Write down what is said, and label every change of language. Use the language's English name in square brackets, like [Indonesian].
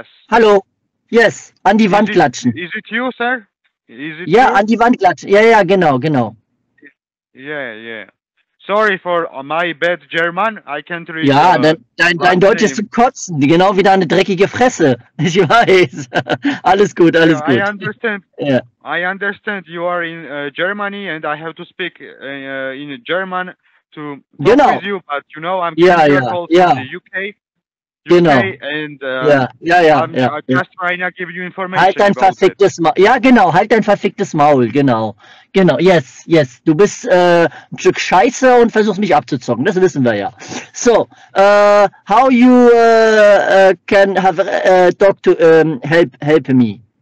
[German] Hallo, yes, an die Wand klatschen. [English] Is it you, sir? [German] Ja, an die Wand klatschen. Ja, genau. [English] Yeah. Sorry for my bad German, I can't read. [German] Ja, dein Deutsch ist zum Kotzen, genau wie deine dreckige Fresse. Ich weiß. Alles gut. [English] I understand. Yeah. I understand you are in Germany and I have to speak in German to talk with you, but you know I'm from the UK. I'm trying to give you information. [German] Halt dein verficktes Maul. Ja, genau. Halt dein verficktes Maul. Genau. Genau. Yes. Du bist ein Stück Scheiße und versuchst mich abzuzocken. Das wissen wir ja. [English] So, how you can have talk to help me?